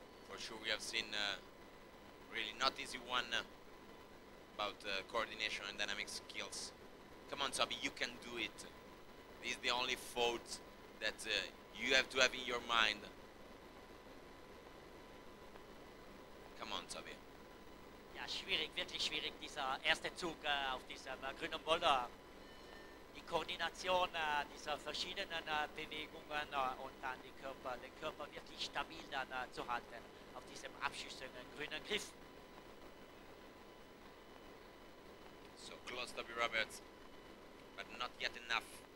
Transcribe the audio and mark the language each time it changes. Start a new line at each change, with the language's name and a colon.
English: For sure we have seen really not easy one about coordination and dynamic skills. Come on, Toby, you can do it. This is the only thought that you have to have in your mind. Come on, Tobi.
German: Ja, schwierig, wirklich schwierig, dieser erste Zug auf diesem grünen Boulder. Die Koordination dieser verschiedenen Bewegungen und dann den Körper wirklich stabil dann zu halten auf diesem abschüssigen grünen Griff.
English: So close, Tobi Roberts, but not yet enough.